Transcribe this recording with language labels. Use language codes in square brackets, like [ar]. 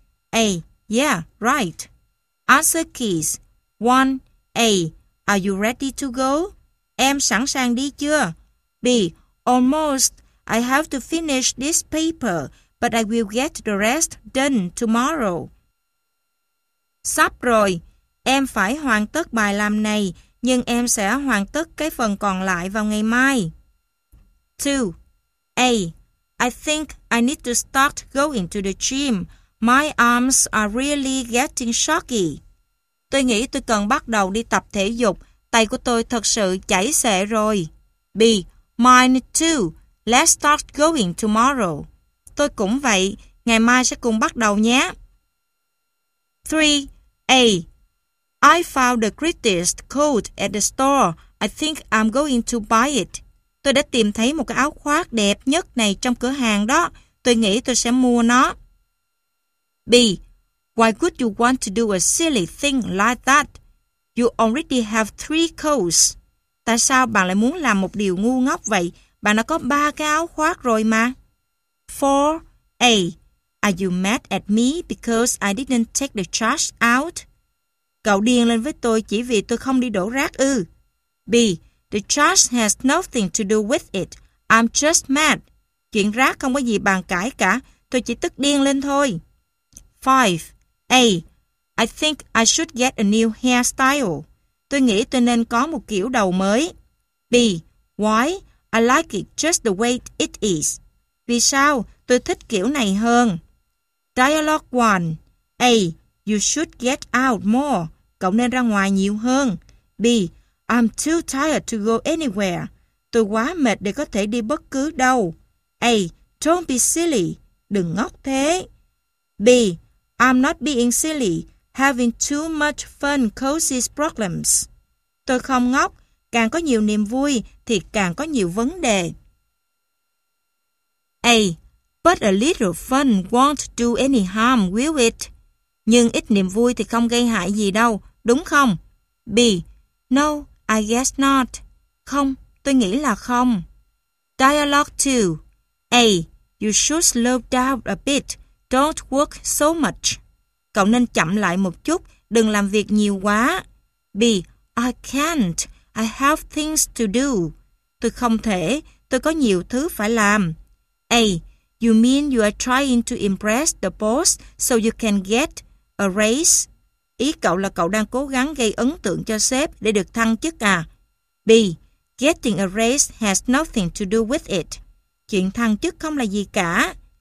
[en] A. Yeah, right. Answer keys. 1. A. Are you ready to go? [vi] Em sẵn sàng đi chưa? [en] B. Almost. I have to finish this paper, but I will get the rest done tomorrow. [vi] Sắp rồi. Em phải hoàn tất bài làm này, nhưng em sẽ hoàn tất cái phần còn lại vào ngày mai. [en] 2. A. I think I need to start going to the gym. My arms are really getting shaky. [vi] Tôi nghĩ tôi cần bắt đầu đi tập thể dục. Tay của tôi thật sự chảy xệ rồi. [en] B. Mine too. Let's start going tomorrow. [vi] Tôi cũng vậy. Ngày mai sẽ cùng bắt đầu nhé. [en] 3. A. I found the greatest coat at the store. I think I'm going to buy it. [vi] Tôi đã tìm thấy một cái áo khoác đẹp nhất này trong cửa hàng đó. Tôi nghĩ tôi sẽ mua nó. [en] B. Why would you want to do a silly thing like that? You already have 3 coats. [vi] Tại sao bạn lại muốn làm một điều ngu ngốc vậy? Bạn đã có 3 cái áo khoác rồi mà. [en] 4. A. Are you mad at me because I didn't take the trash out? [vi] Cậu điên lên với tôi chỉ vì tôi không đi đổ rác ư? [en] B. The trash has nothing to do with it. I'm just mad. [vi] Chuyện rác không có gì bàn cãi cả. Tôi chỉ tức điên lên thôi. [en] 5. A. I think I should get a new hairstyle. [vi] Tôi nghĩ tôi nên có một kiểu đầu mới. [en] B. Why? I like it just the way it is. [vi] Vì sao? Tôi thích kiểu này hơn. [en] Dialogue 1. A. You should get out more. [vi] Cậu nên ra ngoài nhiều hơn. [en] B. I'm too tired to go anywhere. [vi] Tôi quá mệt để có thể đi bất cứ đâu. [en] A. Don't be silly. [vi] Đừng ngốc thế. [en] B. I'm not being silly. Having too much fun causes problems. [vi] Tôi không ngốc. Càng có nhiều niềm vui thì càng có nhiều vấn đề. [en] A. But a little fun won't do any harm, will it? [vi] Nhưng ít niềm vui thì không gây hại gì đâu, đúng không? [en] B. No, I guess not. [vi] Không, tôi nghĩ là không. [en] Dialogue 2. A. You should slow down a bit. Don't work so much. [vi] Cậu nên chậm lại một chút, đừng làm việc nhiều quá. [en] B. I can't. I have things to do. [vi] Tôi không thể, tôi có nhiều thứ phải làm. [en] A. You mean you are trying to impress the boss so you can get a raise? [vi] Ý cậu là cậu đang cố gắng gây ấn tượng cho sếp để được thăng chức à? [en] B. Getting a raise has nothing to do with it. [vi] Chuyện thăng chức không là gì cả.